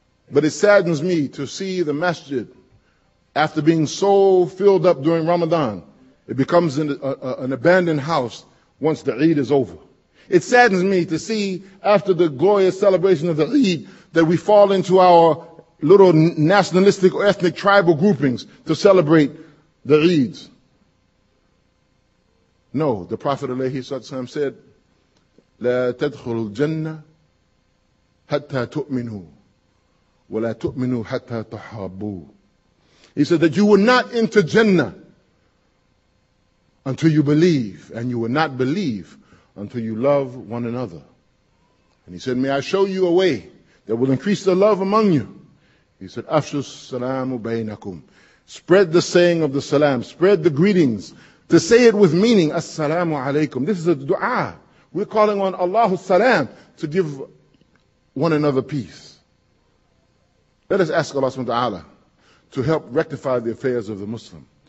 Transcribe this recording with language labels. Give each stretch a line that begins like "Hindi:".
English: But it saddens me to see the masjid, after being so filled up during Ramadan, it becomes an abandoned house once the Eid is over. It saddens me to see, after the glorious celebration of the Eid, that we fall into our little nationalistic or ethnic tribal groupings to celebrate the Eids. No, the Prophet ﷺ said,
Arabic: لَا تَدْخُلُ الْجَنَّةِ حَتَّى تُؤْمِنُوا وَلَا تُؤْمِنُوا حَتَّى تُحَابُوا.
English: He said that you will not enter Jannah until you believe, and you will not believe until you love one another. And he said, may I show you a way that will increase the love among you? He said,
Arabic: أَفْشُوا السَّلَامُ بَيْنَكُمْ.
English: Spread the saying of the salam, spread the greetings, to say it with meaning,
Arabic: السَّلَامُ عَلَيْكُمْ.
English: This is a dua. We're calling on Allah salam to give one another peace. Let us ask Allah subhanahu wa ta'ala to help rectify the affairs of the Muslim.